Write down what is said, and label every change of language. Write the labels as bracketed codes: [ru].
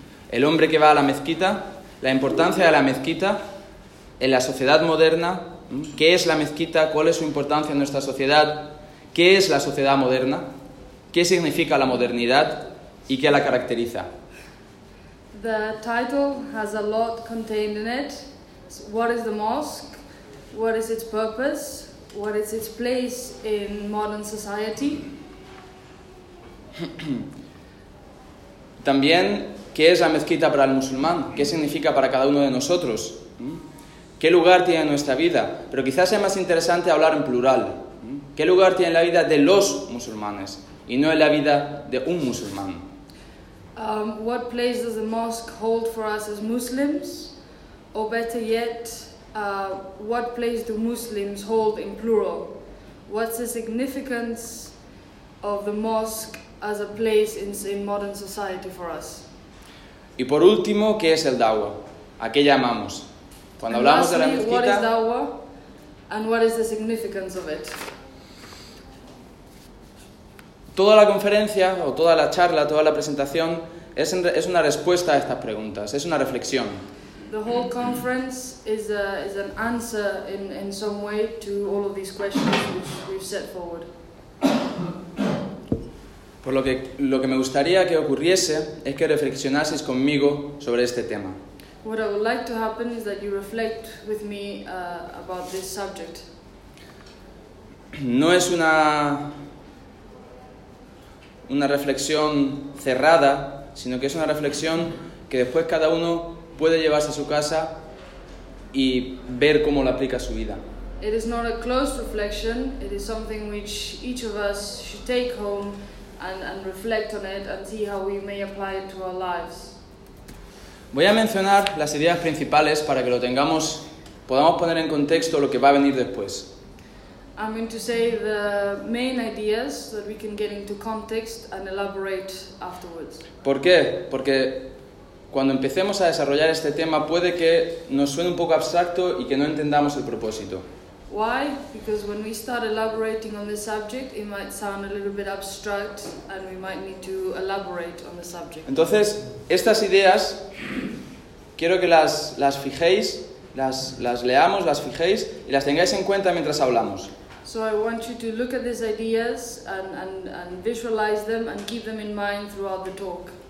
[es] El hombre que va a la mezquita, la importancia de la mezquita en la sociedad moderna, qué es la mezquita, cuál es su importancia en nuestra sociedad, qué es la sociedad moderna, qué significa la modernidad y qué la caracteriza. [en] The title has a lot contained in it. What is the mosque? What is its purpose? What is its place in modern society? [es] También, ¿qué es la mezquita para el musulmán? ¿Qué significa para cada uno de nosotros? ¿Qué lugar tiene en nuestra vida? Pero quizás sea más interesante hablar en plural. ¿Qué lugar tiene en la vida de los musulmanes y no en la vida de un musulmán? [en] What place does the mosque hold for us as Muslims? Or better yet, what place do Muslims hold in plural? What's the significance of the mosque as a place in modern society for us? [es] Y por último, ¿qué es el da'wah? ¿A qué llamamos? Cuando [en] and [es] hablamos [en] lastly, [es] de la mezquita, [en] what is da'wah and what is the significance of it? [es] Toda la conferencia o toda la charla, toda la presentación es una respuesta a estas preguntas, es una reflexión. [en] The whole conference is an answer in some way to all of these questions which we've set forward. [es] Por lo que me gustaría que ocurriese es que reflexionaseis conmigo sobre este tema. [en] What I would like to happen is that you reflect with me about this subject. [es] No es una reflexión cerrada, sino que es una reflexión que después cada uno puede llevarse a su casa y ver cómo la aplica a su vida. [en] It is not a closed reflection, it is something which each of us should take home and reflect on it and see how we may apply it to our lives. [es] Voy a mencionar las ideas principales para que lo tengamos, podamos poner en contexto lo que va a venir después. [en] I'm going to say the main ideas so that we can get into context and elaborate afterwards. [es] ¿Por qué? Porque cuando empecemos a desarrollar este tema puede que nos suene un poco abstracto y que no entendamos el propósito. [en] Why? Because when we start elaborating on this subject, it might sound a little bit abstract and we might need to elaborate on the subject. [es] Entonces, estas ideas quiero que las fijéis, las leamos, las fijéis y las tengáis en cuenta mientras hablamos. [en] So I want you to look at these ideas and visualize them and keep them in mind throughout the talk.